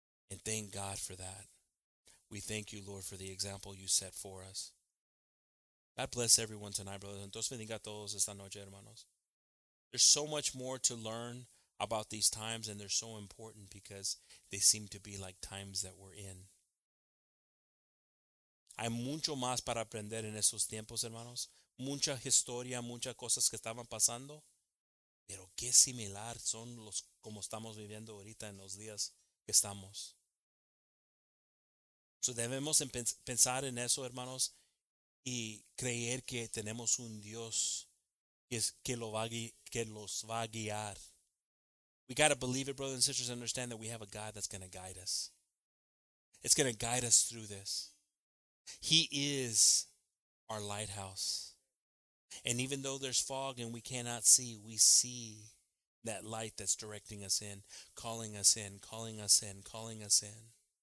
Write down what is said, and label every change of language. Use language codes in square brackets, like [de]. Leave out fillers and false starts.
[en] And thank God for that. We thank you, Lord, for the example you set for us. God bless everyone tonight, brothers. [es] Dios bendiga a todos esta noche, hermanos. [en] There's so much more to learn about these times, and they're so important because they seem to be like times that we're in. [es] Hay mucho más para aprender en esos tiempos, hermanos. Mucha historia, muchas cosas que estaban pasando. Pero qué similar son los como estamos viviendo ahorita en los días que estamos. So debemos pensar en eso, hermanos, y creer que tenemos un Dios que los va a guiar. [en] We got to believe it, brothers and sisters, understand that we have a God that's going to guide us. It's going to guide us through this. He is our lighthouse. And even though there's fog and we cannot see, we see that light that's directing us in, calling us in, calling us in, calling us in.